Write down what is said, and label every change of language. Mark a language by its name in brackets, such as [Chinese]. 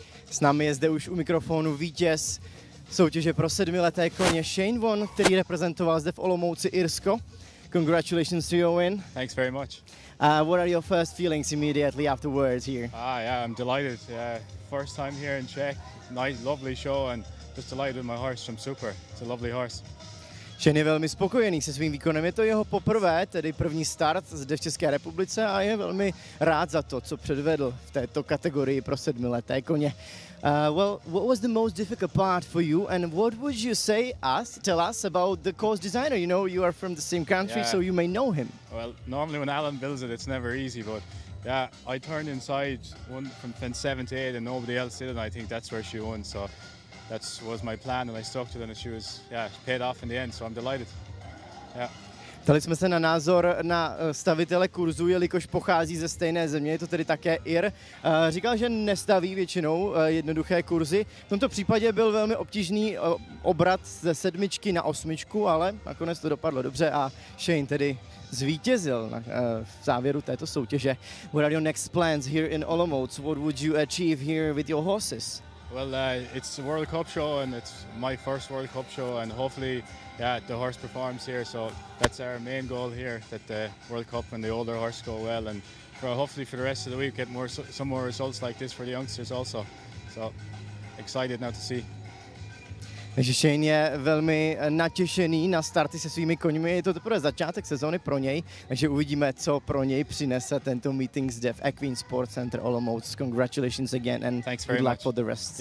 [Czech] S námi je zde už u mikrofonu vítěz soutěže pro sedmileté koně Shane Vaughn, který reprezentoval zde v Olomouci Irsko. [English] Congratulations to your win. Thanks very much. What are your first feelings immediately afterwards here? Yeah, I'm delighted. First time here in Czech. Nice, lovely show and just delighted with my horse. I'm super. It's a lovely horse. [Czech] Shane je velmi spokojený se svým výkonem. Je to jeho poprvé, tedy první start zde v České republice a je velmi rád za to, co předvedl v této kategorii pro sedmileté koně. [English] Well, what was the most difficult part for you and what would you say us, tell us about the course designer? You know, you are from the same country, yeah. So you may know him. Well, normally when Alan builds it, it's never easy, but yeah, I turned inside one from fence 7 to 8 and nobody else did it, and I think that's where she won, so that was my plan and I stuck to it and she was, yeah, she paid off in the end, so I'm delighted. Yeah. [Czech] Ptali jsme se na názor na stavitele kurzu, jelikož pochází ze stejné země, je to tedy také Ir. Říkal, že nestaví většinou jednoduché kurzy. V tomto případě byl velmi obtížný obrat ze sedmičky na osmičku, ale nakonec to dopadlo dobře a Shane tedy zvítězil v závěru této soutěže. [English] What are your next plans here in Olomouc? What would you achieve here with your horses? Well, it's a World Cup show and it's my first World Cup show and hopefully, yeah, the horse performs here, so that's our main goal here, that the World Cup and the older horse go well and for hopefully for the rest of the week get more some more results like this for the youngsters also. So, excited now to see. [Czech] Takže Shane je velmi natěšený na starty se svými koňmi, je to teprve začátek sezóny pro něj, takže uvidíme, co pro něj přinese tento meeting zde v Equine Sports Center Olomouc. [English] Congratulations again and good luck for the rest.